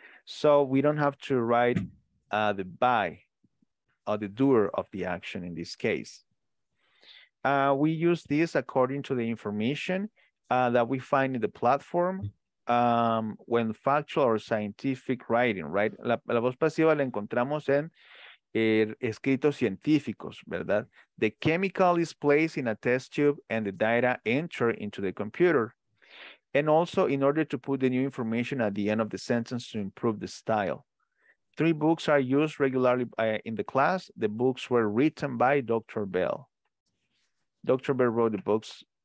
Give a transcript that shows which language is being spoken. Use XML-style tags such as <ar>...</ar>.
<en>So we don't have to write the by or the doer of the action in this case. We use this according to the information that we find in the platform when factual or scientific writing, right?</en> <es>La voz pasiva la encontramos en escritos científicos, ¿verdad?</es> <en>The chemical is placed in a test tube and the data enter into the computer. And also in order to put the new information at the end of the sentence to improve the style. Three books are used regularly in the class. The books were written by Dr. Bell. Dr. Bear wrote the books.</en>